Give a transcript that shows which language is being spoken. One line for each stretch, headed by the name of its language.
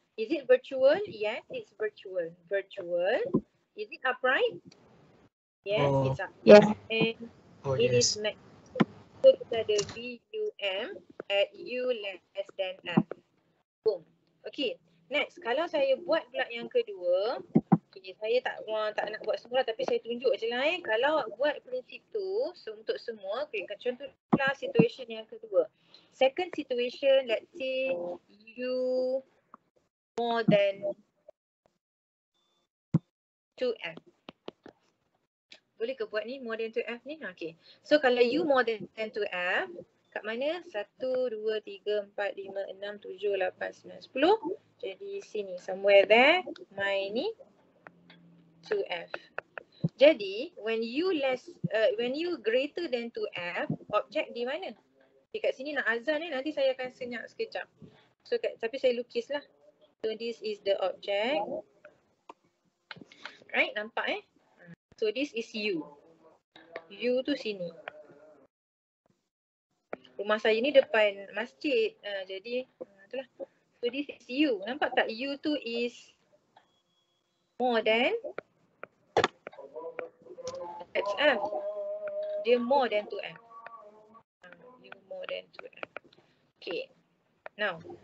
English: Is it virtual? Yes, it's virtual. Virtual. Is it upright? Yes, it's up. Yes. And oh, it yes. is next. So, the VUM at U less than F. Boom. Okay. Next.
Malay: Kalau saya buat pula yang kedua. Okay. Saya tak nak buat semua lah, tapi saya tunjuk je lah eh. Kalau buat prinsip tu so untuk semua. Okay. Contohlah situation yang kedua.
English: Second situation, let's say U more than 2F.
Malay: Boleh ke buat ni
English: more than 2F ni?
Malay: Okay. So kalau U more than 2F, kat mana?
English: 1, 2, 3, 4, 5, 6, 7, 8, 9, 10.
Malay: Jadi sini,
English: somewhere there,
Malay: my ni 2F.
English: Jadi, when U less, when U greater than 2F,
Malay: objek di mana? Okay, kat sini nak azan ni, nanti saya akan senyap sekejap. So, tapi saya lukis lah.
English: So, this is the object. Right,
Malay: nampak eh?
English: So this is U.
Malay: U tu sini. Rumah saya ni depan masjid. Jadi itulah.
English: So this is U.
Malay: Nampak tak
English: U tu is more than XF. Dia more than 2F. U more than 2F. Okay. Now.